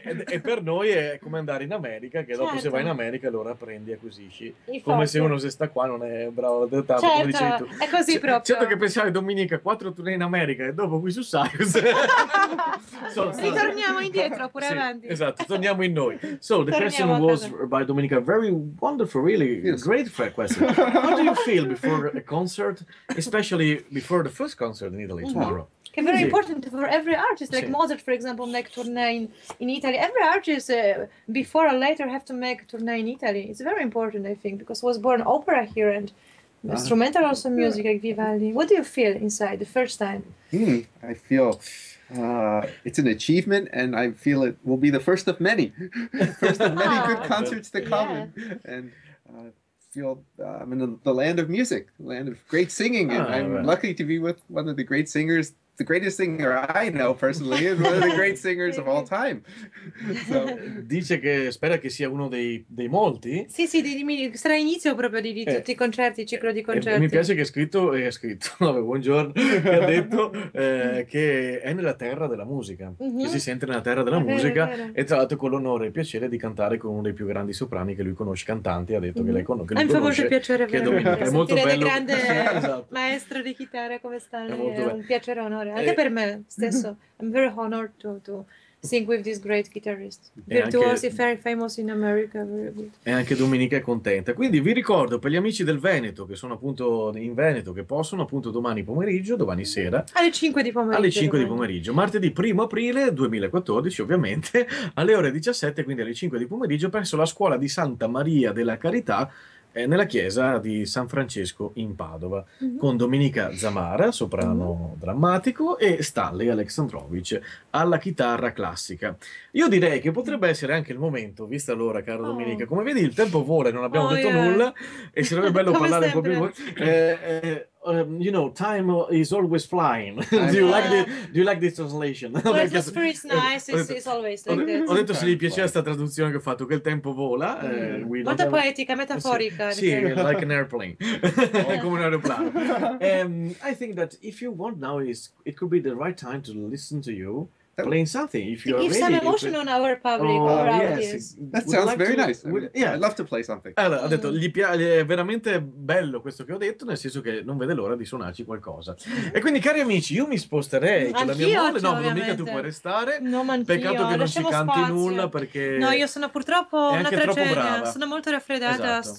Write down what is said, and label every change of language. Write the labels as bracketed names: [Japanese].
[Italian] E per noi è come andare in America, che dopo, certo, se vai in America allora prendi e acquisisci, infatti, come se uno se sta qua non è bravo, certo, come dicevi tu. È così proprio. Certo che pensavi Domenica, 4 tournée in America e dopo qui su Saiuz. Ritorniamo indietro oppure sì, avanti. Esatto, torniamo in noi. [English] So the question was by Domenica, very wonderful, really, yes, great question. How do you feel before a concert, especially before the first concert in Italy tomorrow? Mm-hmm. Che è very important for every artist, like, sì, Mozart, for example, make tournée in Italy. Every artist before or later have to make tournée in Italy. It's very important, I think, because was born opera here and instrumental also music, yeah, like Vivaldi. What do you feel inside the first time? I feel it's an achievement, and I feel it will be the first of many, good concerts to come, yeah, and feel I'm in the land of music, land of great singing, and I'm lucky to be with one of the great singers the greatest singer I know personally, is one of the great singers of all time. [Italian] So, dice che spera che sia uno dei, dei molti. Sì, sì, sarà inizio proprio di tutti i concerti, ciclo di concerti. Mi piace che è scritto, vabbè, buongiorno, che ha detto che è nella terra della musica, mm-hmm. che si sente nella terra della musica, e tra l'altro con l'onore e il piacere di cantare con uno dei più grandi soprani che lui conosce, cantanti, ha detto mm-hmm. che lei conosce. Mi fa molto piacere che è molto bello. Grande esatto. Maestro di chitarra, come sta? È un piacere, onore, anche per me stesso. [English] I'm very honored to sing with this great guitarist, virtuosi, very famous in America, very good. [Italian] E anche Domenica è contenta. Quindi vi ricordo, per gli amici del Veneto, che sono appunto in Veneto, che possono appunto domani sera. Alle 5 di pomeriggio. Martedì 1 aprile 2014, ovviamente, alle ore 17, quindi alle 5 di pomeriggio, presso la scuola di Santa Maria della Carità, nella chiesa di San Francesco in Padova, mm-hmm. con Domenica Zamara, soprano mm-hmm. drammatico, e Stanley Aleksandrovich alla chitarra classica. Io direi che potrebbe essere anche il momento, vista l'ora, caro Domenica, come vedi il tempo vola e non abbiamo detto nulla, e sarebbe bello parlare sempre. Un po' più. [English] You know, time is always flying. Do you like this translation? Well, it's pretty nice. It's always like that. [Italian] Ho detto se gli piaceva questa traduzione che ho fatto, che il tempo vola. Molto poetica, metaforica. Sì, [English] like an airplane. [Italian] Come un aeroplano. [English] I think that if you want now, it could be the right time to listen to you playing something. If you give some emotion on our public, or our audience. That sounds very nice. I'd love to play something. [Italian] Allora, mm-hmm. ho detto, gli piace, è veramente bello questo che ho detto, nel senso che non vede l'ora di suonarci qualcosa. E quindi, cari amici, io mi sposterei con la mia moglie. No, Domenica, tu puoi restare. No, peccato che non ci canti spazio. Nulla, perché... No, io sono purtroppo una tragedia. Sono molto raffreddata, esatto.